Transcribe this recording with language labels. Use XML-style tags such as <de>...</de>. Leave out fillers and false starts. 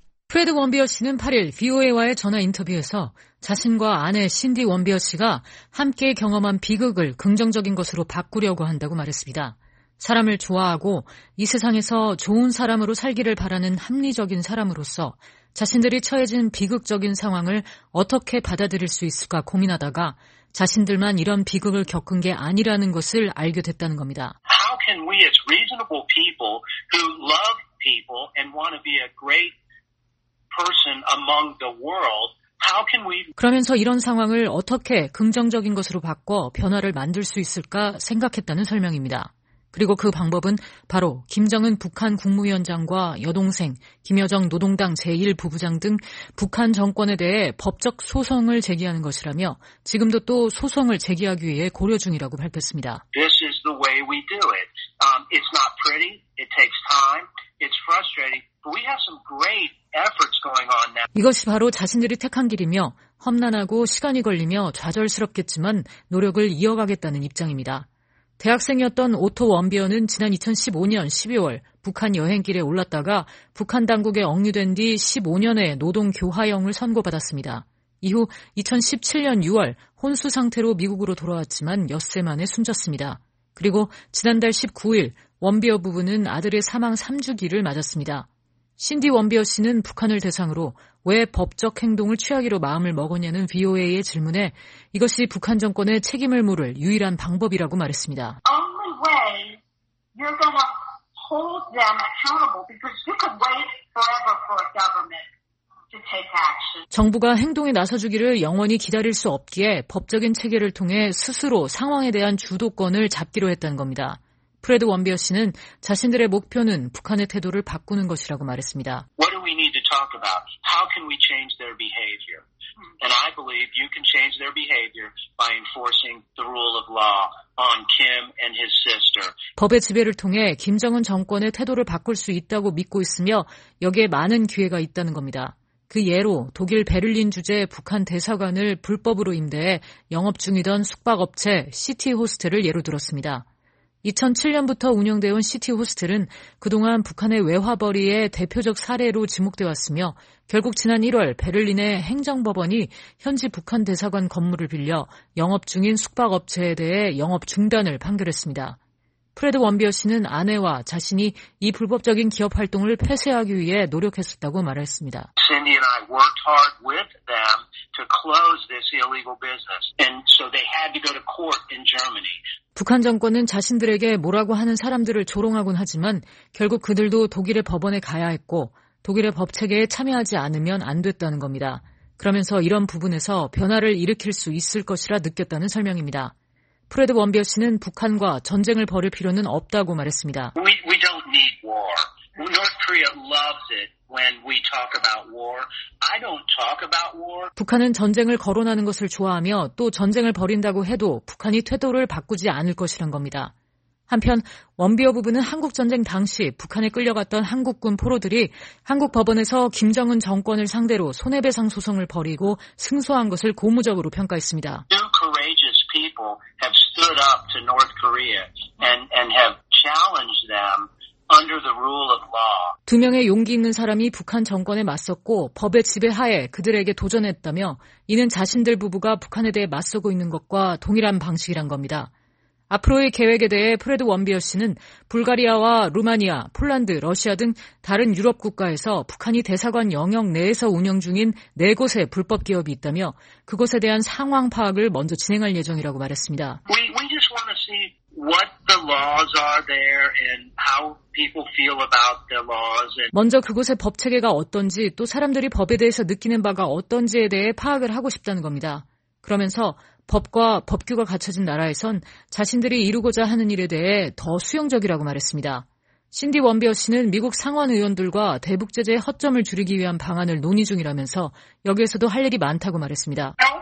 <ko>프레드 원비어 씨는 8일 VOA와의 전화 인터뷰에서 자신과 아내 신디 원비어 씨가 함께 경험한 비극을 긍정적인 것으로 바꾸려고 한다고 말했습니다. 사람을 좋아하고 이 세상에서 좋은 사람으로 살기를 바라는 합리적인 사람으로서 자신들이 처해진 비극적인 상황을 어떻게 받아들일 수 있을까 고민하다가 자신들만 이런 비극을 겪은 게 아니라는 것을 알게 됐다는 겁니다.</ko> <en>How can we as reasonable people who love people and want to be a great person among the world, how can we</en> <ko>그러면서 이런 상황을 어떻게 긍정적인 것으로 바꿔 변화를 만들 수 있을까 생각했다는 설명입니다. 그리고 그 방법은 바로 김정은 북한 국무위원장과 여동생, 김여정 노동당 제1부부장 등 북한 정권에 대해 법적 소송을 제기하는 것이라며 지금도 또 소송을 제기하기 위해 고려 중이라고 밝혔습니다.</ko> <en>This is the way we do it. It's not pretty. It takes time. It's frustrating. But we have some great efforts going on now.</en> <ko>이것이 바로 자신들이 택한 길이며 험난하고 시간이 걸리며 좌절스럽겠지만 노력을 이어가겠다는 입장입니다. 대학생이었던 오토 원비어는 지난 2015년 12월 북한 여행길에 올랐다가 북한 당국에 억류된 뒤 15년의 노동 교화형을 선고받았습니다. 이후 2017년 6월 혼수 상태로 미국으로 돌아왔지만 엿새 만에 숨졌습니다. 그리고 지난달 19일 원비어 부부는 아들의 사망 3주기를 맞았습니다. 신디 원비어 씨는 북한을 대상으로 왜 법적 행동을 취하기로 마음을 먹었냐는 VOA의 질문에 이것이 북한 정권의 책임을 물을 유일한 방법이라고 말했습니다.</ko> <en>Only way you're going to hold them accountable because you could wait forever for a government to take action.</en> <ko>정부가 행동에 나서주기를 영원히 기다릴 수 없기에 법적인 체계를 통해 스스로 상황에 대한 주도권을 잡기로 했다는 겁니다. 프레드 원비어 씨는 자신들의 목표는 북한의 태도를 바꾸는 것이라고 말했습니다.</ko> <en>What do we need to talk about? How can we change their behavior? And I believe you can change their behavior by enforcing the rule of law on Kim and his sister.</en> <ko>법의 지배를 통해 김정은 정권의 태도를 바꿀 수 있다고 믿고 있으며 여기에 많은 기회가 있다는 겁니다. 그 예로 독일 베를린 주재 북한 대사관을 불법으로 임대해 영업 중이던 숙박업체 시티 호스텔을 예로 들었습니다. 2007년부터 운영되어 온 시티 호스텔은 그동안 북한의 외화벌이의 대표적 사례로 지목되어 왔으며 결국 지난 1월 베를린의 행정법원이 현지 북한 대사관 건물을 빌려 영업 중인 숙박업체에 대해 영업 중단을 판결했습니다. 프레드 원비어 씨는 아내와 자신이 이 불법적인 기업 활동을 폐쇄하기 위해 노력했었다고 말했습니다.</ko> <en>Cindy and I worked hard with them to close this illegal business. And so they had to go to court in Germany.</en> <ko>북한 정권은 자신들에게 뭐라고 하는 사람들을 조롱하곤 하지만 결국 그들도 독일의 법원에 가야 했고 독일의 법체계에 참여하지 않으면 안 됐다는 겁니다. 그러면서 이런 부분에서 변화를 일으킬 수 있을 것이라 느꼈다는 설명입니다. 프레드 원비어 씨는 북한과 전쟁을 벌일 필요는 없다고 말했습니다.</ko> <en>We don't need war. North Korea loves it when we talk about war. I don't talk about war.</en> <ko>북한은 전쟁을 거론하는 것을 좋아하며 또 전쟁을 벌인다고 해도 북한이 태도를 바꾸지 않을 것이란 겁니다. 한편 원비어 부부는 한국전쟁 당시 북한에 끌려갔던 한국군 포로들이 한국 법원에서 김정은 정권을 상대로 손해배상 소송을 벌이고 승소한 것을 고무적으로 평가했습니다.</ko> <en>Two courageous people have stood up to North Korea and have challenged them. Under the rule of law.</en> <ko>두 명의 용기 있는 사람이 북한 정권에 맞섰고 법의 지배하에 그들에게 도전했다며 이는 자신들 부부가 북한에 대해 맞서고 있는 것과 동일한 방식이란 겁니다. 앞으로의 계획에 대해 프레드 원비어 씨는 불가리아와 루마니아, 폴란드, 러시아 등 다른 유럽 국가에서 북한이 대사관 영역 내에서 운영 중인 네 곳의 불법 기업이 있다며 그곳에 대한 상황 파악을 먼저 진행할 예정이라고 말했습니다.</ko> <en>What the laws are there and how people feel about the laws.</en> <ko>먼저 그곳의 법 체계가 어떤지 또 사람들이 법에 대해서 느끼는 바가 어떤지에 대해 파악을 하고 싶다는 겁니다. 그러면서 법과 법규가 갖춰진 나라에선 자신들이 이루고자 하는 일에 대해 더 수용적이라고 말했습니다. 신디 원비어 씨는 미국 상원 의원들과 대북 제재의 허점을 줄이기 위한 방안을 논의 중이라면서 여기에서도 할 일이 많다고 말했습니다.</ko>